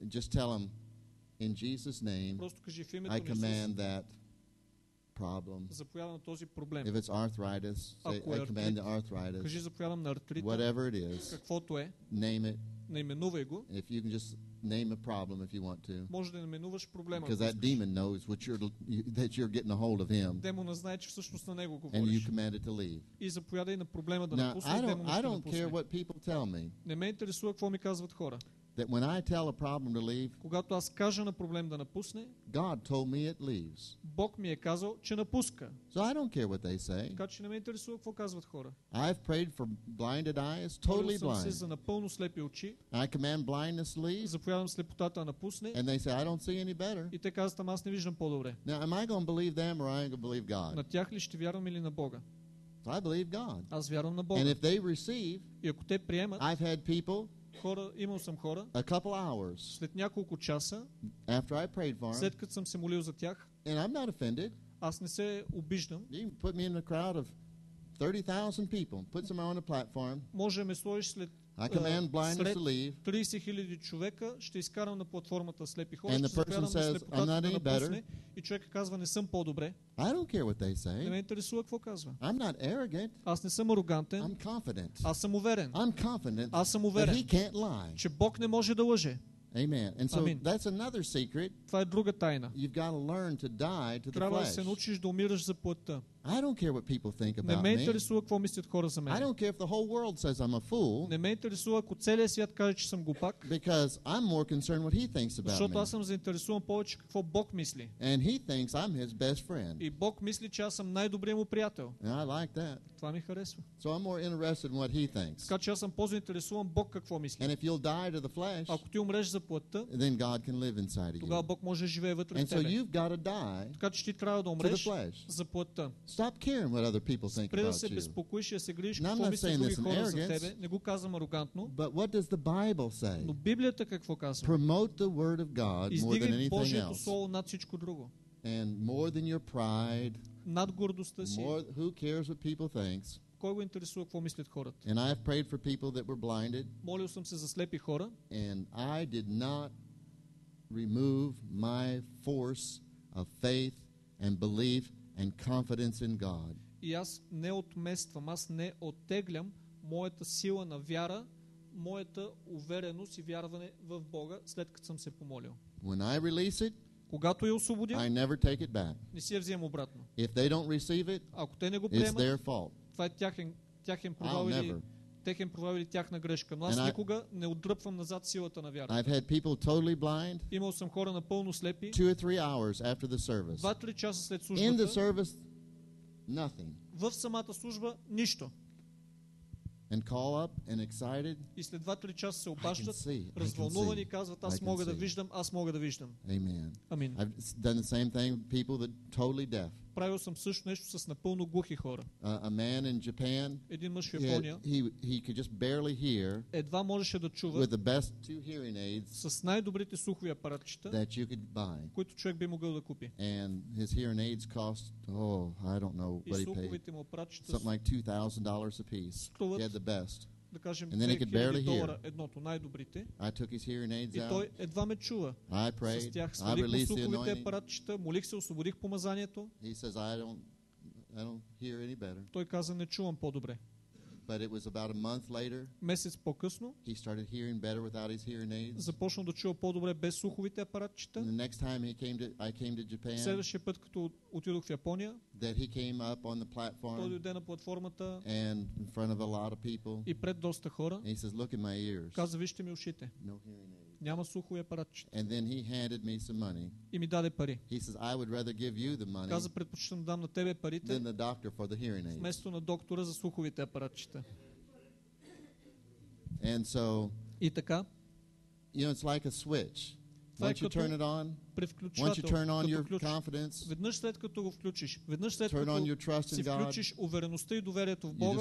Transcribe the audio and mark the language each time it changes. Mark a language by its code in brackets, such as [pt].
[en] just tell him, in Jesus' name, [bg] просто кажи в името [en] I command [bg] Исус. [en] That problem. [bg] Заповядам на този проблем. [en] If it's arthritis, say, I command the arthritis. [bg] Кажи заповядам на артрита. [en] Whatever it is. [bg] Каквото е. [en] Name it. [bg] Наименувай го. [en] If you can just name a problem if you want to. [bg] Може да наименуваш проблема. [en] Because that demon knows what you're that you're getting a hold of him. [bg] Демонът знае, че всъщност на него говориш. [en] And you command it to leave. [bg] И заповядай на проблема да напусне демона. [en] Now, I don't care what people tell me. [bg] Не ме интересува какво ми казват хора. [en] That when I tell a problem to leave, [bg] когато аз кажа на проблем да напусне, [en] God told me it leaves. [bg] Бог ми е казал, че напуска. [en] So I don't care what they say. [bg] Така че не ме интересува какво казват хора. [en] I've prayed for blinded eyes, totally blind. [bg] Молил съм се за напълно слепи очи. [en] I command blindness leave. [bg] Заповядам слепотата да напусне. [en] And they say I don't see any better. [bg] И те казват, аз не виждам по-добре. [en] Now am I going to believe them or am I going to believe God? [bg] На тях ли ще вярвам или на Бога? [en] So I believe God. [bg] Аз вярвам на Бога. [en] And if they receive, [bg] и ако те приемат, [en] I've had people. [bg] Хора, имал съм хора. [en] A couple hours. [bg] След няколко часа. [en] After I prayed for them. [bg] След като съм се молил за тях. [en] And I'm not offended. [bg] Аз не се обиждам. [en] You can put me in a crowd of 30,000 people. Put someone on a platform. [bg] Може ме сложиш след. [en] I command blindness to leave. [bg] 30,000 човека ще изкарам на платформата слепи хора. [en] And the person says, I'm not any better. [bg] И човекът казва, не съм по-добре. [en] I don't care what they say. [bg] Не ме интересува какво казва. [en] I'm not arrogant. [bg] Аз не съм арогантен. [en] I'm confident. [bg] Аз съм уверен. [en] I'm confident. [bg] Аз съм уверен. [en] That he can't lie. [bg] Че Бог не може да лъже. [en] Amen. And so that's another secret. [bg] Това е друга тайна. [en] You've got to learn to die to the [bg] Трябва да се научиш да умираш за плътта. [en] I don't care what people think about me. [bg] Не ме интересува какво мислят хора за мен. [en] I don't care if the whole world says I'm a fool. [bg] Не ме интересува ако целият свят каже, че съм глупак. [en] Because I'm more concerned what he thinks about me. [bg] Защото аз съм заинтересуван повече какво Бог мисли. [en] And he thinks I'm his best friend. [bg] И Бог мисли, че аз съм най-добрият му приятел. [en] And I like that. [bg] Това ми харесва. [en] So I'm more interested in what he thinks. [bg] Така че аз съм по-заинтересуван Бог какво мисли. [en] And if you'll die to the flesh, [bg] ако ти умреш за плътта, [en] then God can live inside of you. [bg] Тогава Бог може да живее вътре в тебе. [en] And so you've got to die. [bg] Така че ти трябва да умреш за плътта. [en] Stop caring what other people think about you. [bg] Спри да се безпокоиш и да се грижиш какво мислят други хора за тебе. Не го казвам арогантно. [en] But what does the Bible say? [bg] Но Библията какво казва? [en] Promote the word of God more than anything else. [bg] Издигай Божието слово над всичко друго. [en] And more than your pride. [bg] Над гордостта си. [en] More, who cares what people think? [bg] Кой го интересува какво мислят хората? [en] And I have prayed for people that were blinded. [bg] Молил съм се за слепи хора. [en] And I did not remove my force of faith and belief. And confidence in God. [bg] И аз не отмествам, аз не оттеглям моята сила на вяра, моята увереност и вярване в Бога, след като съм се помолил. [en] When I release it, [bg] когато я освободя, [en] I never take it back. [bg] Не си я взимам обратно. [en] If they don't receive it, [bg] ако те не го приемат, [en] it's their fault. [bg] Това е тяхен провал или техен провал или тяхна грешка. Но аз [en] and [bg] никога не отдръпвам назад силата на вярата. [en] I've had people totally blind. [bg] Имал съм хора напълно слепи. [en] 2 or 3 hours after the service. [bg] 2-3 часа след службата. [en] In the service, nothing. [bg] В самата служба нищо. [en] And call up and excited. [bg] И след 2-3 часа се обаждат, развълнувани, казват, аз мога да виждам, аз мога да виждам. [en] Amen. [bg] Амин. [en] I've done the same thing with people that totally deaf. [bg] Правил съм също нещо с напълно глухи хора. [en] A man in Japan, [bg] един мъж в Япония, [en] he could just barely hear, [bg] едва можеше да чува [en] with the best 2 hearing aids, [bg] с най-добрите слухови апаратчета, [en] that you could buy, [bg] които човек би могъл да купи. [en] And his hearing aids cost, oh, I don't know what he paid. [bg] Слуховите му апаратчета [en] something like $2,000 a piece. He had the best. [bg] Да кажем, [en] and then he could barely hear. [bg] Едното, най-добрите. [en] I took his hearing aids out. [bg] И той едва ме чува. [en] I prayed. [bg] С тях свалих слуховите апаратчета, молих се, освободих помазанието. [en] He says, I don't hear any better. [bg] Той каза, не чувам по-добре. [en] But it was about a month later. [bg] Месец по-късно. [en] He started hearing better without his hearing aids. [bg] Започна да чува по-добре без слуховите апаратчета. [en] The next time he came to, I came to Japan. [bg] Следващия път, като отидох в Япония. [en] That he came up on the platform. [bg] Той дойде на платформата. [en] And in front of a lot of people. [bg] И пред доста хора. [en] And he says, look in my ears. [bg] Каза, вижте ми ушите. [en] No hearing aids. [bg] Няма слухови апаратчета. [en] And then he handed me some money. [bg] И ми даде пари. [en] He says, I would rather give you the money. [bg] Каза, предпочитам да дам на тебе парите. [en] Than the doctor for the hearing aids. [bg] Вместо на доктора за слуховите апаратчета. [en] And so, [bg] и така, [en] You know, it's like a switch. Once you turn it on, once you turn on your confidence, [bg] веднъж след като го включиш, веднъж след [en] turn [bg] като [en] on your trust in God, [bg] включиш увереността и доверието в Бога,